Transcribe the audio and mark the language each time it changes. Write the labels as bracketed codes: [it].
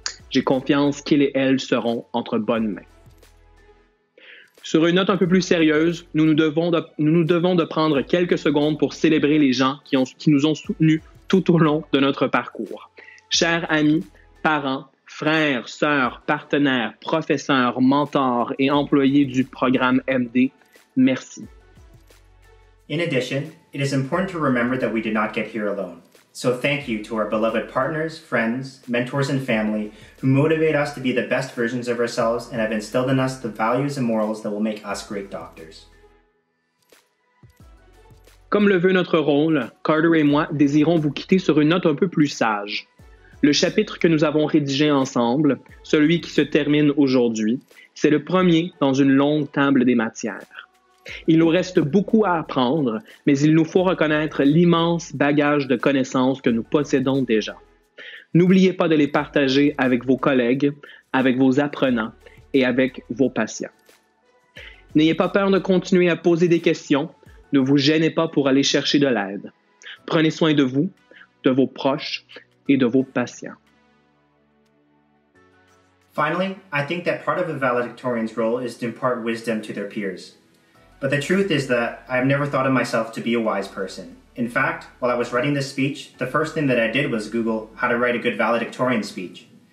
[fr] J'ai confiance qu'ils et elles seront entre bonnes mains. Sur une note un peu plus sérieuse, nous devons de prendre quelques secondes pour célébrer les gens qui nous ont soutenus tout au long de notre parcours. Chers amis, parents, frères, sœurs, partenaires, professeurs, mentors et employés du programme MD, merci. [en] In addition, it is important to remember that we did not get here alone. So thank you to our beloved partners, friends, mentors, and family who motivate us to be the best versions of ourselves and have instilled in us the values and morals that will make us great doctors. [fr] Comme le veut notre rôle, Carter et moi désirons vous quitter sur une note un peu plus sage. Le chapitre que nous avons rédigé ensemble, celui qui se termine aujourd'hui, c'est le premier dans une longue table des matières. Il nous reste beaucoup à apprendre, mais il nous faut reconnaître l'immense bagage de connaissances que nous possédons déjà. N'oubliez pas de les partager avec vos collègues, avec vos apprenants et avec vos patients. N'ayez pas peur de continuer à poser des questions, ne vous gênez pas pour aller chercher de l'aide. Prenez soin de vous, de vos proches et de vos patients. [en] Finally, I think that part of a valedictorian's role is to impart wisdom to their peers. But the truth is that I have never thought of myself to be a wise person. In fact, while I was writing this speech, the first thing that I did was Google how to write a good valedictorian speech.